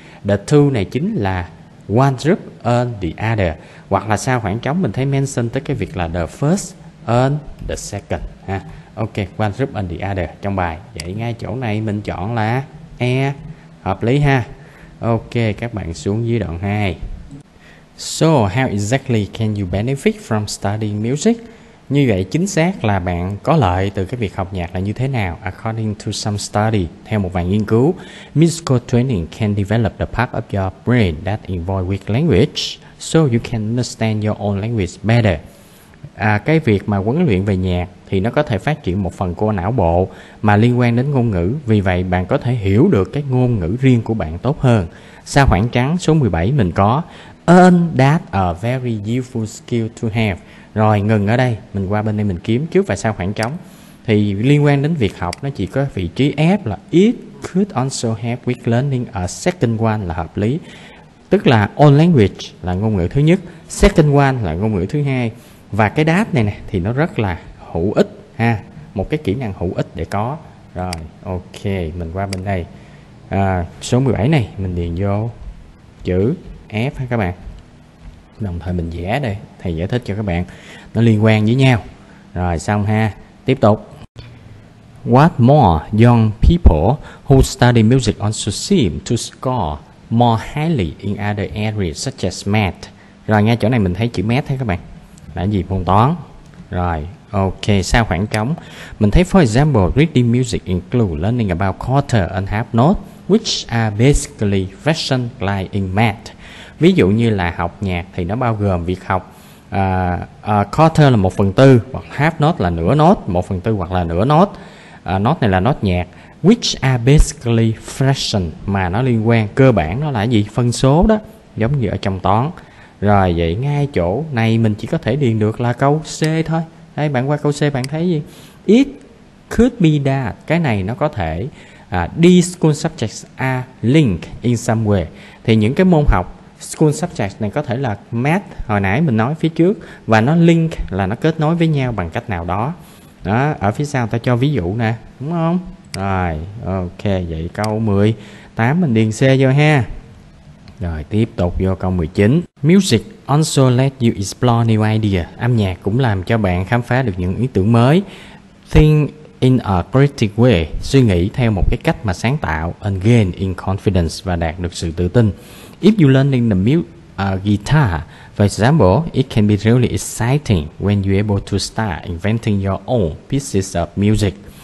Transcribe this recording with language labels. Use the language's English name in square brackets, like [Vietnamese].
[English] The two [Vietnamese] này chính là [English] one group and the other. [Vietnamese] Hoặc là sau khoảng trống mình thấy mention tới cái việc là [English] the first and the second [Vietnamese] ha. Ok, [English] one group and the other [Vietnamese] trong bài. Vậy ngay chỗ này mình chọn là e, hợp lý ha. Ok, các bạn xuống dưới đoạn 2. [English] So, how exactly can you benefit from studying music? [Vietnamese] Như vậy chính xác là bạn có lợi từ cái việc học nhạc là như thế nào? [English] According to some study, [Vietnamese] theo một vài nghiên cứu, [English] musical training can develop the part of your brain that involve with language, so you can understand your own language better. [Vietnamese] À, cái việc mà huấn luyện về nhạc thì nó có thể phát triển một phần của não bộ mà liên quan đến ngôn ngữ. Vì vậy, bạn có thể hiểu được cái ngôn ngữ riêng của bạn tốt hơn. Sau khoảng trắng số 17 mình có [English] And that a very useful skill to have. [Vietnamese] Rồi ngừng ở đây, mình qua bên đây mình kiếm trước và sau khoảng trống. Thì liên quan đến việc học nó chỉ có vị trí F là [English] It could also help with learning a second one [Vietnamese] là hợp lý. Tức là [English] all language [Vietnamese] là ngôn ngữ thứ nhất, [English] second one [Vietnamese] là ngôn ngữ thứ hai. Và cái đáp này nè thì nó rất là hữu ích ha, một cái kỹ năng hữu ích để có. Rồi, ok, mình qua bên đây. À, số 17 này mình điền vô chữ F ha các bạn. Đồng thời mình vẽ đây, thầy giải thích cho các bạn nó liên quan với nhau. Rồi xong ha, tiếp tục. [English] What more, young people who study music also seem to score more highly in other areas such as math. [Vietnamese] Rồi nghe chỗ này mình thấy chữ math thấy các bạn. Là gì? Môn toán. [English] Rồi, ok, [Vietnamese] sau khoảng trống mình thấy [English] for example, reading music include learning about quarter and half note, which are basically fraction like in math. [Vietnamese] Ví dụ như là học nhạc thì nó bao gồm việc học quarter là một phần tư, hoặc half note là nửa note, một phần tư hoặc là nửa note. Note này là note nhạc. [English] Which are basically fraction [Vietnamese] mà nó liên quan cơ bản nó là gì? Phân số đó, giống như ở trong toán. Rồi vậy ngay chỗ này mình chỉ có thể điền được là câu C thôi. Đây bạn qua câu C bạn thấy gì? [English] It could be that. [Vietnamese] Cái này nó có thể [English] these school subjects are linked in some way. [Vietnamese] Thì những cái môn học school subject này có thể là math hồi nãy mình nói phía trước và nó link là nó kết nối với nhau bằng cách nào đó. Đó, ở phía sau ta cho ví dụ nè, đúng không? Rồi, ok, vậy câu 18 mình điền C vô ha. Rồi tiếp tục vô câu 19. [English] Music also let you explore new idea. [Vietnamese] Âm nhạc cũng làm cho bạn khám phá được những ý tưởng mới. [English] Think in a creative way, [Vietnamese] suy nghĩ theo một cái cách mà sáng tạo, [English] and gain in confidence [Vietnamese] và đạt được sự tự tin. [English] If you learning the guitar, for example, it can be really exciting when you're able to start inventing your own pieces of music.